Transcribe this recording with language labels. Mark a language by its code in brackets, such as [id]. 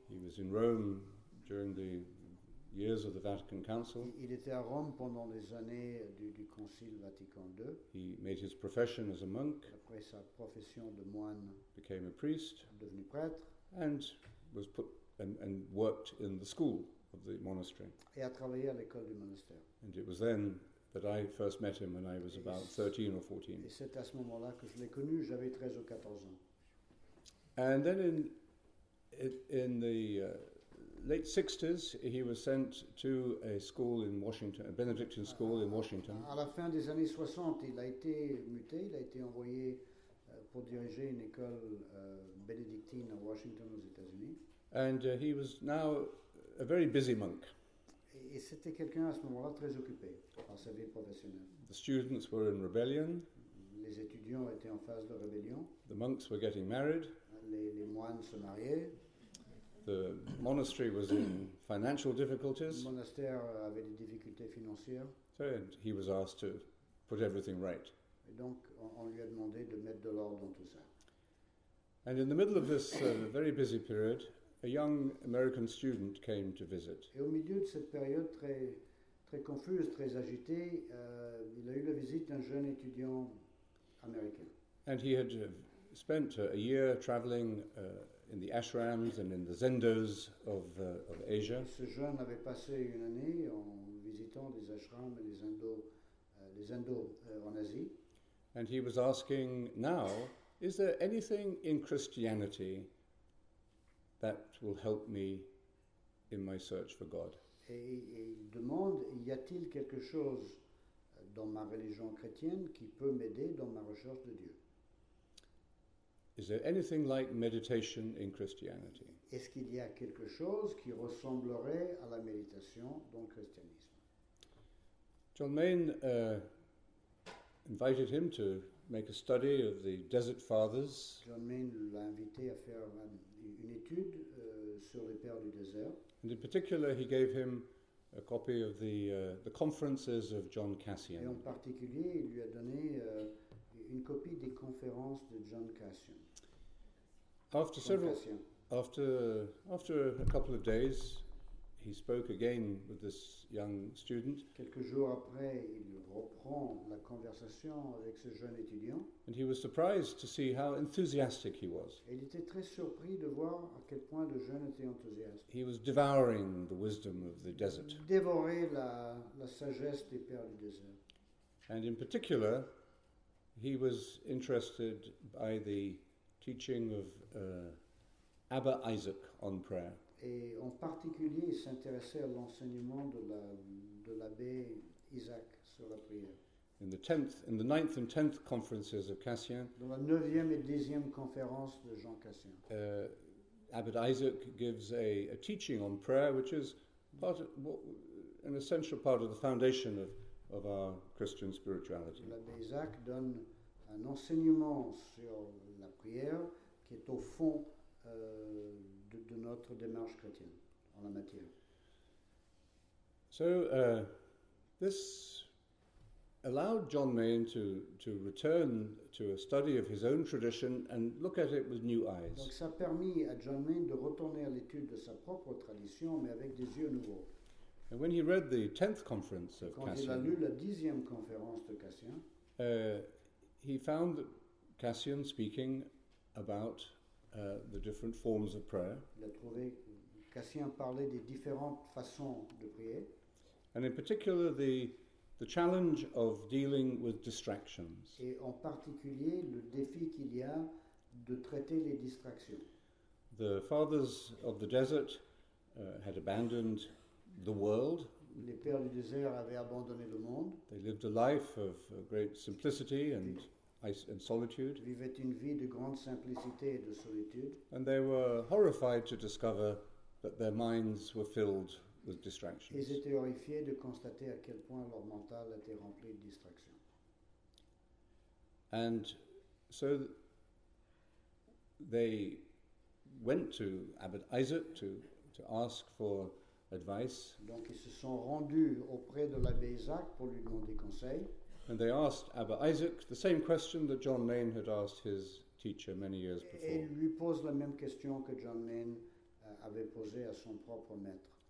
[en] He was in Rome during the years of the Vatican Council. [fr] Il était à Rome pendant les années du Concile Vatican II. [en] He made his profession as a monk. [fr] Après sa profession de moine. [en] Became a priest. [fr] Devenu prêtre. [en] And was put and worked in the school of the monastery. [fr] Et a travaillé à l'école du monastère. [en] And it was then that I first met him when I was about 13 or 14. [fr] Et c'est à ce moment-là que je l'ai connu. J'avais 13 ou 14 ans. [en] And then in the late 60s, he was sent to a school in Washington, a Benedictine school in Washington. [fr] À la fin des années 60, il a été muté, il a été envoyé pour diriger une école bénédictine à Washington, aux États-Unis. [en] And he was now a very busy monk. [fr] Et c'était quelqu'un à ce moment-là très occupé dans sa vie professionnelle. [en] The students were in rebellion. [fr] Les étudiants étaient en phase de rébellion. [en] The monks were getting married. [fr] Les moines se mariaient. [en] The monastery was in financial difficulties. [fr] Le monastère avait des difficultés financières. [en] So he was asked to put everything right. [fr] Et donc on lui a demandé de mettre de l'ordre dans tout ça. [en] And in the middle of this very busy period, a young American student came to visit. [fr] Et au milieu de cette période très très confuse, très agitée, il a eu la visite d'un jeune étudiant américain. [en] And he had spent a year traveling in the ashrams and in the zendos of Asia. [fr] Et ce jeune avait passé une année en visitant des ashrams et les zendos en Asie. [en] And he was asking now, is there anything in Christianity that will help me in my search for God? [fr] Et il demande, y a-t-il quelque chose dans ma religion chrétienne qui peut m'aider dans ma recherche de Dieu? [en] Is there anything like meditation in Christianity? [fr] Est-ce qu'il y a quelque chose qui ressemblerait à la méditation dans le christianisme? [en] John Maine invited him to make a study of the Desert Fathers. [fr] John Maine l'a invité à faire une étude sur les pères du désert. [en] And in particular, he gave him a copy of the conferences of John Cassian. [fr] Et en particulier, il lui a donné une copie des conférences de John Cassian. [en] After a couple of days, he spoke again with this young student. [fr] Quelques jours après, il reprend la conversation avec ce jeune étudiant. [en] And he was surprised to see how enthusiastic he was. [fr] Et il était très surpris de voir à quel point le jeune était enthousiaste. [en] He was devouring the wisdom of the desert. [fr] Dévorait la sagesse des pères du désert. [en] And in particular, he was interested by the teaching of Abba Isaac on prayer. [fr] Et en particulier, il s'intéressait à l'enseignement de l'abbé Isaac sur la prière. [en] In the ninth and tenth conferences of Cassian. [fr] Dans la neuvième et dixième conférence de Jean Cassien. [en] Abba Isaac gives a teaching on prayer, which is an essential part of the foundation of our Christian spirituality. [fr] L'abbé Isaac donne un enseignement sur la prière qui est au fond de notre démarche chrétienne en la matière. [en] So this allowed John Maine to return to a study of his own tradition and look at it with new eyes. [fr] Donc ça a permis à John Maine de retourner à l'étude de sa propre tradition mais avec des yeux nouveaux. [en] And when he read the 10th conference of Cassian, [fr] quand il a lu la 10e conférence de Cassian, [en] he found Cassian speaking about the different forms of prayer. [fr] Il a trouvé Cassian parlait des différentes façons de prier. [en] And in particular, the challenge of dealing with distractions. [fr] Et en particulier, le défi qu'il y a de traiter les distractions. [en] The fathers of the desert had abandoned the world. [fr] Les pères du désert avaient abandonné le monde. [en] They lived a life of great simplicity and solitude. [fr] Ils vivaient une vie de grande simplicité et de solitude. [en] And they were horrified to discover that their minds were filled with distractions. [fr] Ils étaient horrifiés de constater à quel point leur mental était rempli de distractions. [en] And so they went to Abbot Isaac to ask for advice. [fr] Donc ils se sont rendus auprès de l'abbé Isaac pour lui demander conseil. [en] And they asked Abba Isaac the same question that John Maine had asked his teacher many years before. [fr] Et lui pose la même question que John Maine avait posée à son propre maître.